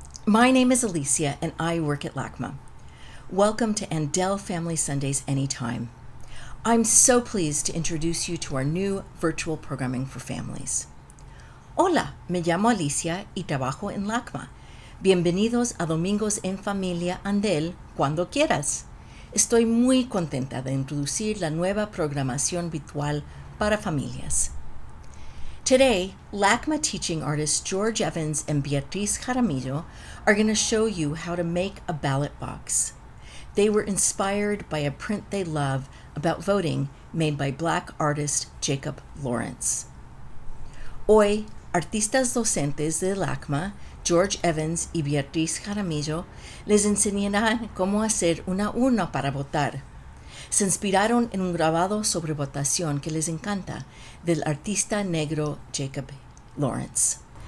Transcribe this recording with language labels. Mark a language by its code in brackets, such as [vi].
[en] My name is Alicia, and I work at LACMA. Welcome to Andell Family Sundays Anytime. I'm so pleased to introduce you to our new virtual programming for families. [es] Hola, me llamo Alicia y trabajo en LACMA. Bienvenidos a Domingos en Familia Andell, cuando quieras. Estoy muy contenta de introducir la nueva programación virtual para familias. [en] Today, LACMA teaching artists George Evans and Beatriz Jaramillo are going to show you how to make a ballot box. They were inspired by a print they love about voting made by Black artist Jacob Lawrence. [es] Hoy, artistas docentes de LACMA, George Evans y Beatriz Jaramillo, les enseñarán cómo hacer una urna para votar. Se inspiraron en un grabado sobre votación que les encanta, del artista negro Jacob Lawrence.